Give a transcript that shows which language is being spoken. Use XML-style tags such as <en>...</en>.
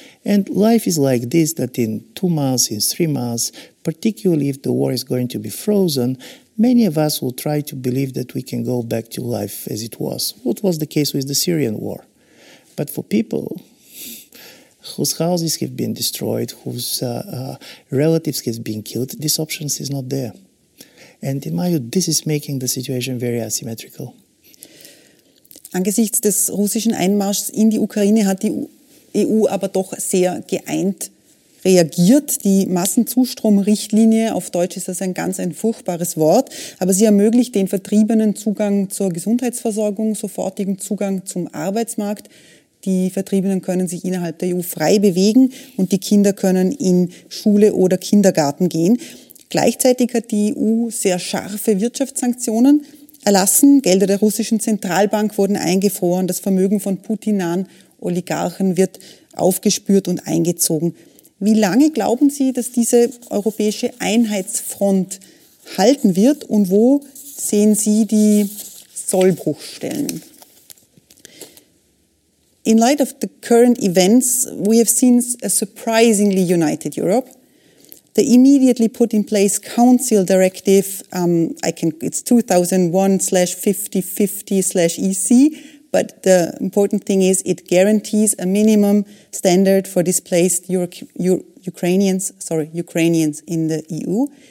<en>And life is like this, that in 2 months, in 3 months, particularly if the war is going to be frozen, many of us will try to believe that we can go back to life as it was. What was the case with the Syrian war? But for people whose houses have been destroyed, whose relatives have been killed, this option is not there. And in my view, this is making the situation very asymmetrical.</en> <de>Angesichts des russischen Einmarschs in die Ukraine hat die EU aber doch sehr geeint reagiert. Die Massenzustromrichtlinie, auf Deutsch ist das ein ganz ein furchtbares Wort, aber sie ermöglicht den Vertriebenen Zugang zur Gesundheitsversorgung, sofortigen Zugang zum Arbeitsmarkt. Die Vertriebenen können sich innerhalb der EU frei bewegen und die Kinder können in Schule oder Kindergarten gehen. Gleichzeitig hat die EU sehr scharfe Wirtschaftssanktionen erlassen. Gelder der russischen Zentralbank wurden eingefroren. Das Vermögen von Putin-nahen Oligarchen wird aufgespürt und eingezogen. Wie lange glauben Sie, dass diese europäische Einheitsfront halten wird? Und wo sehen Sie die Sollbruchstellen?</de> <en>In light of the current events, we have seen a surprisingly united Europe. The immediately put in place Council Directive, it's 2001/5050/EC, but the important thing is it guarantees a minimum standard for displaced Ukrainians in the EU.</en>